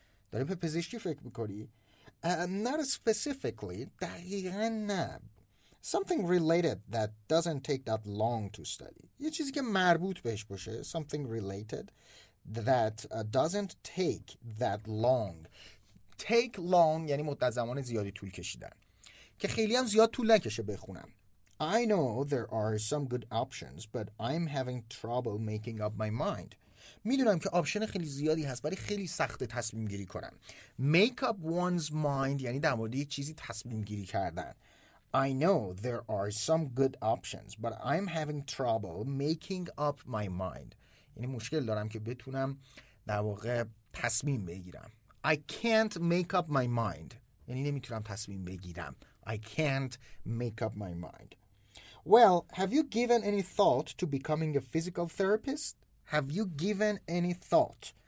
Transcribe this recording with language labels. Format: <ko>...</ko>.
<fa>داری به پزشکی فکر میکنی؟</fa> <en>Not specifically.</en> <fa>دقیقا نه.</fa> <en>Something related that doesn't take that long to study.</en> <fa>یه چیزی که مربوط بهش باشه.</fa> <en>Something related that doesn't take that long.</en> <fa>Take long یعنی مدت زمان زیادی طول کشیدن که خیلی هم زیاد طول نکشه بخونم.</fa> <en>I know there are some good options but I'm having trouble making up my mind.</en> <fa>میدونم که آپشن خیلی زیادی هست ولی خیلی سخت تصمیم گیری کنم.</fa> <en>Make up one's mind</en> <fa>یعنی در مورد یک چیزی تصمیم گیری کردن.</fa> <en>I know there are some good options but I'm having trouble making up my mind.</en> <fa>یعنی مشکل دارم که بتونم در واقع تصمیم بگیرم.</fa> <en>I can't make up my mind.</en> <fa>یعنی نمیتونم تصمیم بگیرم.</fa> <en>I can't make up my mind. Well, have you given any thought to becoming a physical therapist? Have you given any thought?</en>